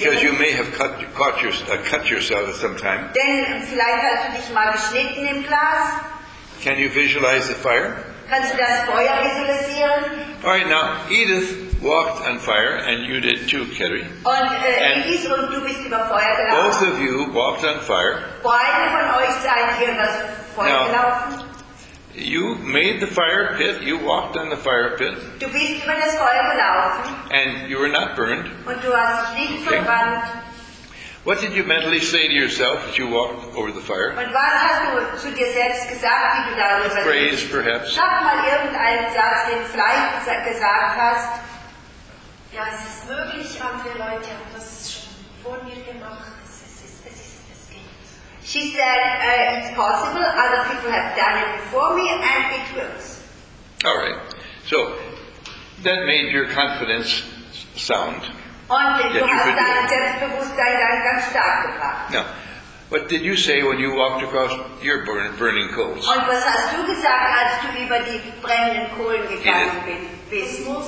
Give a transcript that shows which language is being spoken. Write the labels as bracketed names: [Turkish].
[English] Because you may have cut yourself at some time. [German] Denn vielleicht hast du dich mal geschnitten im Glas. [English] Can you visualize the fire? [German] Kannst du das Feuer visualisieren? [English] All right, now Edith walked on fire, and you did too, Kerry. [German] And Edith, und du bist über Feuer gelaufen. [English] Both of you walked on fire. [German] Beide von euch seid hier über Feuer [English] now, [German] gelaufen. [English] You made the fire pit. You walked on the fire pit. [German] Du bist über das Feuer gelaufen. [English] And you were not burned. [German] Und du hast nicht verbrannt. [English] What did you mentally say to yourself as you walked over the fire? [German] Und was hast du zu dir selbst gesagt, wie du darüber gelaufen? [English] A phrase, perhaps. [German] Sag mal irgendeinen Satz, den vielleicht gesagt hast. Ja, es ist möglich, andere Leute haben das schon vor mir gemacht. Es geht. [English] She said, it's possible, other people have done it before me, and it works. All right. So, that made your confidence sound. [German] Und du hast dein Selbstbewusstsein dann ganz stark gebracht. [English] Now, what did you say when you walked across your burning coals? [German] Und was hast du gesagt, als du über die brennenden Kohlen gegangen bist?